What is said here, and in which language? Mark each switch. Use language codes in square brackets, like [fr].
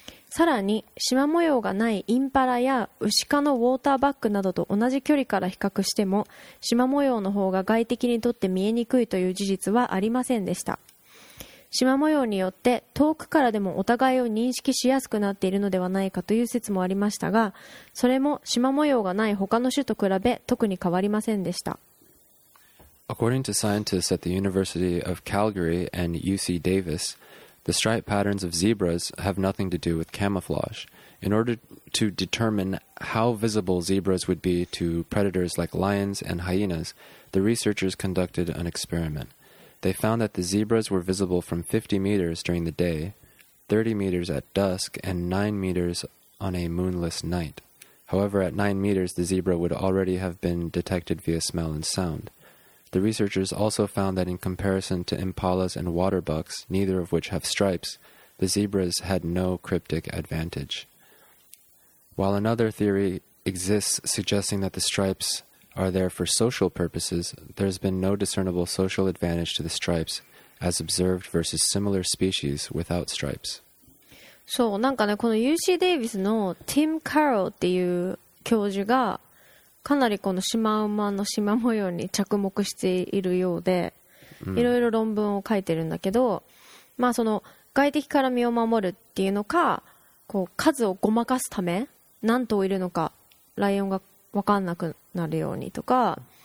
[ja] さらに、シマ模様がないインパラやウシ科のウォーターバックなどと同じ距離から比較しても、シマ模様の方が外敵にとって見えにくいという事実はありませんでした。シマ模様によって遠くからでもお互いを認識しやすくなっているのではないかという説もありましたが、それもシマ模様がない他の種と比べ特に変わりませんでした。 [en] According to scientists at the University of Calgary and UC Davis, the stripe patterns of zebras have nothing to do with camouflage. In order to determine how visible zebras would be to predators like lions and hyenas, the researchers conducted an experiment. They found that the zebras were visible from 50 meters during the day, 30 meters at dusk, and 9 meters on a moonless night. However, at 9 meters, the zebra would already have been detected via smell and sound. The researchers also found that in comparison to impalas and waterbucks, neither of which have stripes, the zebras had no cryptic advantage. While another theory exists suggesting that the stripes... are there for social purposes, there's been no discernible social advantage to the stripes as observed versus similar species without stripes. [ja] そう、なんかね、この UC デイビスのティム・カロウっていう教授がかなりこのシマウマのシマ模様に着目しているようで、いろいろ論文を書いてるんだけど、まあその外敵から身を守るっていうのか、こう数をごまかすため何頭いるのか、ライオンが分かんなくなるようにとか、